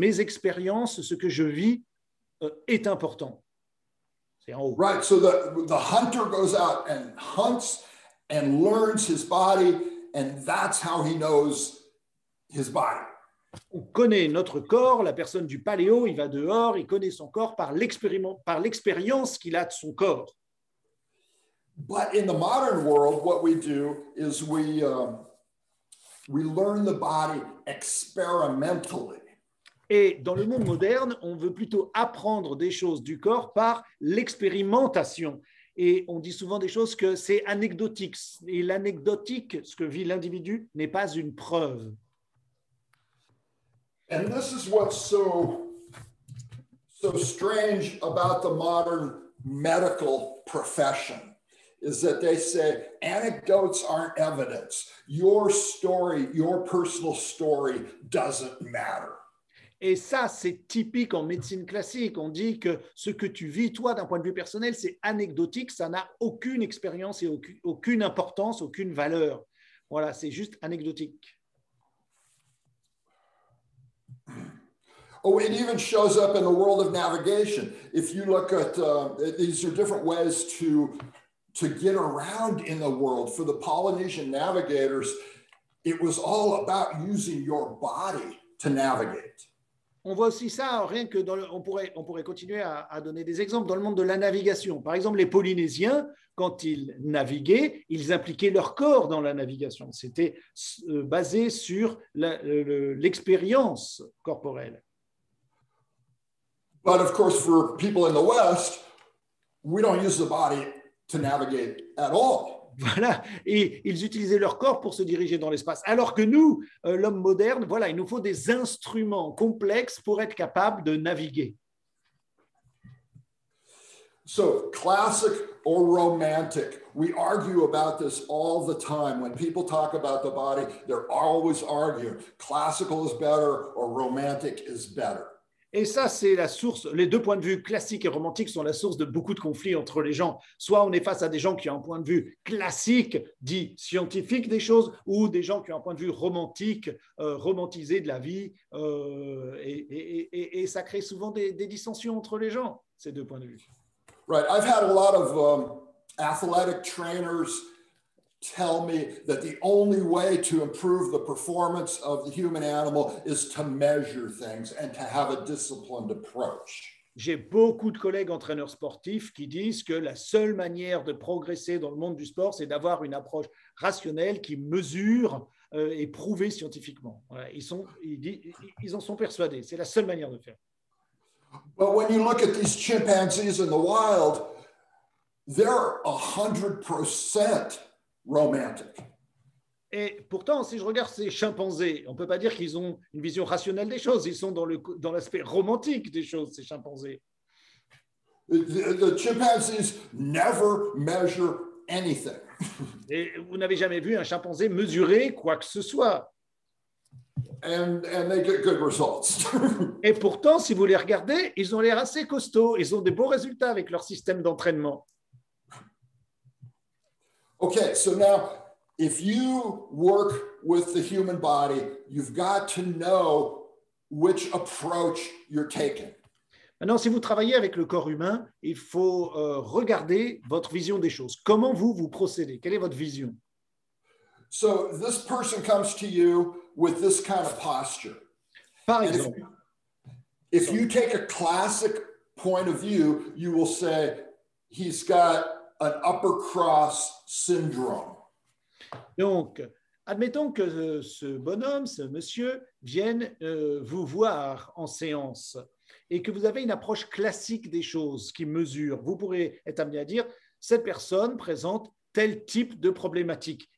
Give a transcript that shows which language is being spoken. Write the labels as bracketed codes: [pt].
[fr] Mes expériences, ce que je vis, est important. C'est en haut. [en] Right, so the hunter goes out and hunts and learns his body, and that's how he knows his body. [fr] On connaît notre corps, la personne du paléo, il va dehors, il connaît son corps par l'expérience qu'il a de son corps. [en] But in the modern world, what we do is we learn the body experimentally. [fr] Et dans le monde moderne, on veut plutôt apprendre des choses du corps par l'expérimentation. Et on dit souvent des choses que c'est anecdotique. Et l'anecdotique, ce que vit l'individu, n'est pas une preuve. [en] And this is what's so strange about the modern medical profession is that they say anecdotes aren't evidence. Your story, your personal story doesn't matter. [fr] Et ça, c'est typique en médecine classique. On dit que ce que tu vis, toi, d'un point de vue personnel, c'est anecdotique. Ça n'a aucune expérience et aucune importance, aucune valeur. Voilà, c'est juste anecdotique. [en] Oh, it even shows up in the world of navigation. If you look at these are different ways to get around in the world. For the Polynesian navigators, it was all about using your body to navigate. [fr] On voit aussi ça, rien que on pourrait continuer à donner des exemples dans le monde de la navigation. Par exemple, les Polynésiens, quand ils naviguaient, ils impliquaient leur corps dans la navigation. C'était basé sur l'expérience corporelle. [en] But of course, for people in the West, we don't use the body to navigate at all. [fr] Voilà, et ils utilisaient leur corps pour se diriger dans l'espace. Alors que nous, l'homme moderne, voilà, il nous faut des instruments complexes pour être capable de naviguer. [en] So, classic or romantic, we argue about this all the time. When people talk about the body, they're always arguing, classical is better or romantic is better. [fr] Et ça, c'est la source, les deux points de vue classiques et romantiques sont la source de beaucoup de conflits entre les gens. Soit on est face à des gens qui ont un point de vue classique, dit scientifique des choses, ou des gens qui ont un point de vue romantique, romantisé de la vie. Et ça crée souvent des dissensions entre les gens, ces deux points de vue. [en] Right. I've had a lot of athletic trainers tell me that the only way to improve the performance of the human animal is to measure things and to have a disciplined approach. [fr] J'ai beaucoup de collègues entraîneurs sportifs qui disent que la seule manière de progresser dans le monde du sport, c'est d'avoir une approche rationnelle qui mesure et prouvée scientifiquement. Voilà, ils en sont persuadés. C'est la seule manière de faire. [en] But when you look at these chimpanzees in the wild, they're 100% romantic. [fr] Et pourtant, si je regarde ces chimpanzés, on ne peut pas dire qu'ils ont une vision rationnelle des choses. Ils sont dans l'aspect romantique des choses, ces chimpanzés. [en] The chimpanzees never measure anything. [fr] Et vous n'avez jamais vu un chimpanzé mesurer quoi que ce soit. [en] And they get good results. [fr] Et pourtant, si vous les regardez, ils ont l'air assez costauds. Ils ont des bons résultats avec leur système d'entraînement. [en] Okay, so now, if you work with the human body, you've got to know which approach you're taking. [fr] Maintenant, si vous travaillez avec le corps humain, il faut regarder votre vision des choses. Comment vous procédez? Quelle est votre vision? [en] So this person comes to you with this kind of posture. [fr] Par exemple, [en] if you take a classic point of view, you will say he's got an upper cross syndrome. [fr] Donc, admettons que ce bonhomme, ce monsieur, vienne vous voir en séance et que vous avez une approche classique des choses qui mesure. Vous pourrez être amené à dire, cette personne présente tel type de problématique.